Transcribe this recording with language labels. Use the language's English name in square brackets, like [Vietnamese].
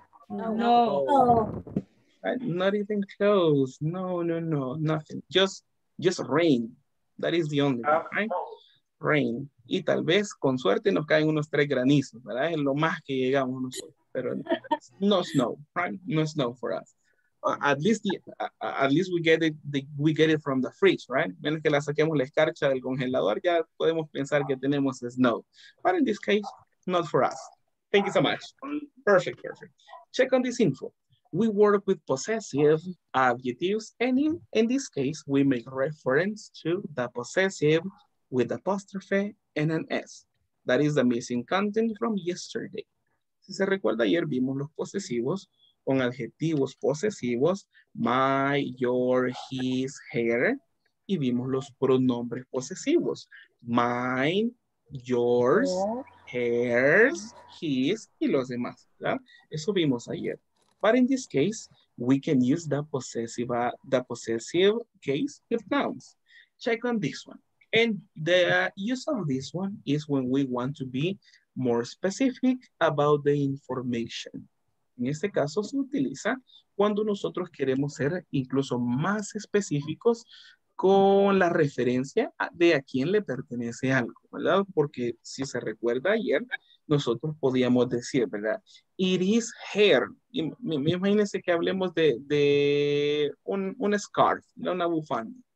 [English] No. Not even close. No, no, no. Nothing. Just rain. That is the only one, right? Rain. [Spanish] Y tal vez, con suerte, nos caen unos tres granizos, ¿verdad? Es lo más que llegamos nosotros. Pero no snow, right? [English] No snow for us. At least we get it from the fridge, right? [Spanish] Menos que la saquemos la escarcha del congelador, ya podemos pensar que tenemos snow. [English] But in this case, not for us. Thank you so much. Perfect, perfect. Check on this info. We work with possessive adjectives, and in this case, we make reference to the possessive with apostrophe and an S. That is the missing content from yesterday. [Spanish] Si se recuerda, ayer vimos los posesivos con adjetivos posesivos, my, your, his, her, y vimos los pronombres posesivos, mine, yours, hers, his, y los demás, ¿verdad? Eso vimos ayer. [English] But in this case, we can use the possessive case with nouns. Check on this one. And the use of this one is when we want to be more specific about the information. [Spanish] En este caso se utiliza cuando nosotros queremos ser incluso más específicos con la referencia de a quién le pertenece algo, ¿verdad? Porque si se recuerda ayer, nosotros podíamos decir, ¿verdad? [English] It is her. [Spanish] Imagínense que hablemos de un scarf, de una bufanda.